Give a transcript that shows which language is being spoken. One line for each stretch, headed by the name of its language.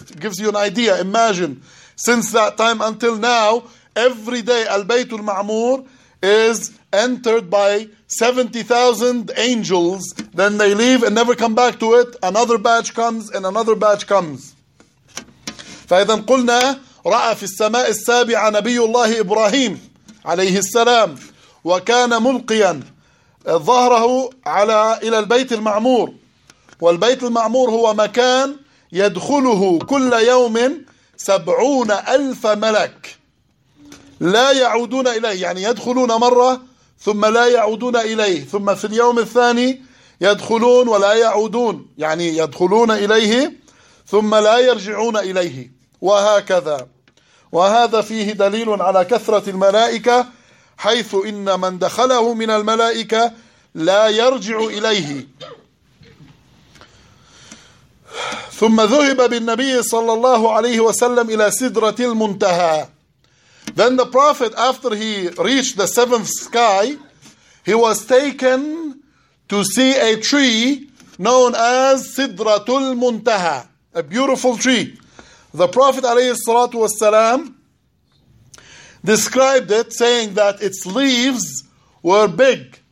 English: It gives you an idea. Imagine, since that time until now, every day Al-Bayt Al-Ma'mur is entered by 70,000 angels, then they leave and never come back to it. Another batch comes and another batch comes.
Arabic: فَإِذَنْ قُلْنَا رَأَى فِي السَّمَاءِ السَّابِعَ نَبِيُّ اللَّهِ إِبْرَاهِيمِ عَلَيْهِ السَّلَامِ وَكَانَ مُلْقِيًا ظَهْرَهُ عَلَى إِلَى الْبَيْتِ الْمَعْمُورِ وَالْبَيْتِ الْمَعْمُورِ هُوَ مَكَانْ يَدْخُلُهُ كُلَّ يَوْمٍ 70,000 مَلَكٍ لا يعودون إليه، يعني يدخلون مرة ثم لا يعودون إليه، ثم في اليوم الثاني يدخلون ولا يعودون، يعني يدخلون إليه ثم لا يرجعون إليه. وهكذا. وهذا فيه دليل على كثرة الملائكة، حيث إن من دخله من الملائكة لا يرجع إليه. ثم ذهب بالنبي صلى الله عليه وسلم إلى سدرة المنتهى.
English: Then the prophet, after he reached the seventh sky, he was taken to see a tree known as Sidratul Muntaha, a beautiful tree. The prophet alayhi salatu wasalam described it, saying that its leaves were big.